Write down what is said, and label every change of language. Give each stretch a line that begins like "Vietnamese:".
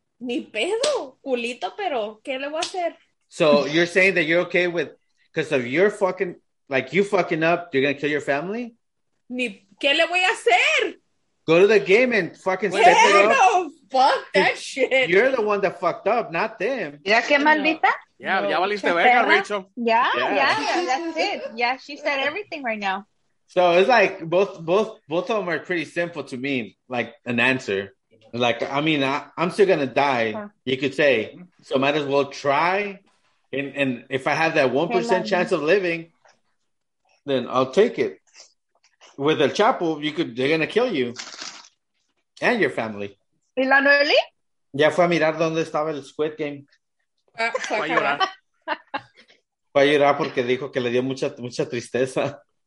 Spanish: Ni pedo, culito, pero ¿qué le voy a hacer?
English: So you're saying that you're okay with, because if you're fucking, like you fucking up, you're going to kill your family?
Spanish: Ni, ¿qué le voy a hacer?
English: Go to the game and fucking step it up. No, fuck that shit. You're the one that fucked up, not them.
Spanish: Mira qué maldita. No.
English: Yeah, no.
Spanish: Ya valiste verga, Rachel.
English: Yeah, yeah, that's it. Yeah, she said everything right now. So it's like both of them are pretty simple to me, like an answer. Like, I mean, I'm still going to die, you could say. So might as well try. And if I have that 1% chance of living, then I'll take it. With El Chapo, they're going to kill you and your family.
Spanish: ¿Y la Noeli? Ya fue a mirar dónde estaba el Squid Game. Fue a llorar. Fue a llorar porque dijo que le dio mucha, mucha tristeza.